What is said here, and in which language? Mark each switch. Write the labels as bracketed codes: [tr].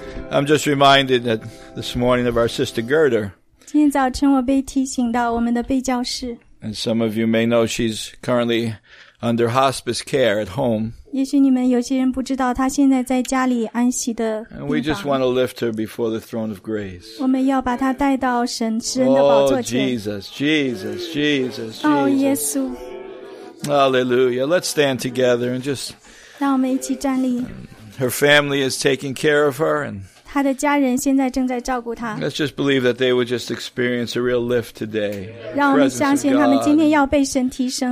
[en] I'm just reminded that this morning of our sister Gerda. [zh] 今天早晨我被提醒到我们的贝教士。 [en] And some of you may know she's currently under hospice care at home. [zh] 也许你们有些人不知道她现在在家里安息的病房。 [en] And we just want to lift her before the throne of grace. [zh] 我们要把她带到神慈恩的宝座前。 [en] Oh, Jesus, Jesus, Jesus, Jesus. [zh] Oh, 耶稣。 [en] Hallelujah. Let's stand together and just... [zh] 让我们一起站立。 [en] Her family is taking care of her and... [zh] 他的家人现在正在照顾他。 [en] Let's just believe that they would just experience a real lift today. [zh] 让我们相信他们今天要被神提升。